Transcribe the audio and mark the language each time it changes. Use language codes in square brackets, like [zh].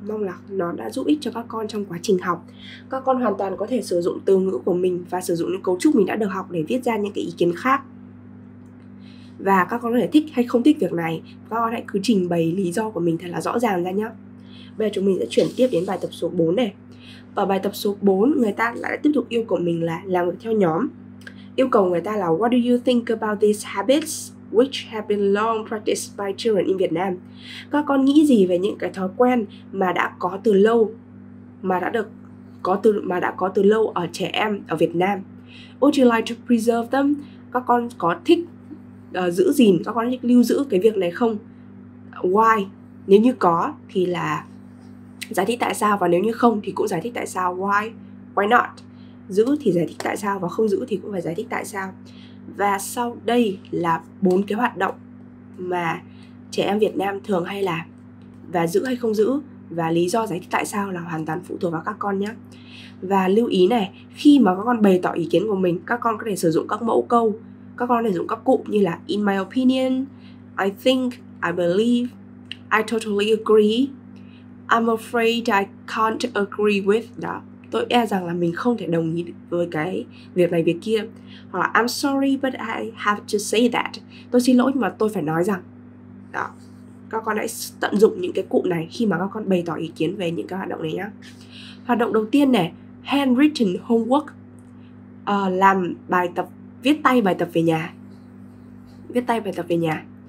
[vi] Mong là nó đã giúp ích cho các con trong quá trình học. Các con hoàn toàn có thể sử dụng từ ngữ của mình và sử dụng những cấu trúc mình đã được học để viết ra những cái ý kiến khác. Và các con có thể thích hay không thích việc này, các con hãy cứ trình bày lý do của mình thật là rõ ràng ra nhé. Bây giờ chúng mình sẽ chuyển tiếp đến bài tập số 4 này. Ở bài tập số 4, người ta lại tiếp tục yêu cầu mình là làm việc theo nhóm. Yêu cầu người ta là [en] what do you think about these habits which have been long practiced by children in Vietnam? [vi] Các con nghĩ gì về những cái thói quen mà đã có từ lâu, mà đã có từ lâu ở trẻ em ở Việt Nam? [en] Would you like to preserve them? [vi] Các con có thích giữ gìn, các con thích lưu giữ cái việc này không? [en] Why? [vi] Nếu như có thì là giải thích tại sao, và nếu như không thì cũng giải thích tại sao. [en] Why? Why not? [vi] Giữ thì giải thích tại sao, và không giữ thì cũng phải giải thích tại sao. Và sau đây là 4 cái hoạt động mà trẻ em Việt Nam thường hay làm, và giữ hay không giữ, và lý do giải thích tại sao là hoàn toàn phụ thuộc vào các con nhé. Và lưu ý này, khi mà các con bày tỏ ý kiến của mình, các con có thể sử dụng các mẫu câu, các con có thể sử dụng các cụm như là [en] in my opinion, I think, I believe, I totally agree, I'm afraid I can't agree with. [vi] Đó, tôi e rằng là mình không thể đồng ý với cái việc này việc kia. Hoặc là [en] I'm sorry but I have to say that. [vi] Tôi xin lỗi mà tôi phải nói rằng. Đó. Các con hãy tận dụng những cái cụm này khi mà các con bày tỏ ý kiến về những cái hoạt động này nhá. Hoạt động đầu tiên này, [en] handwritten homework. [vi] Làm bài tập, viết tay bài tập về nhà. Viết tay bài tập về nhà.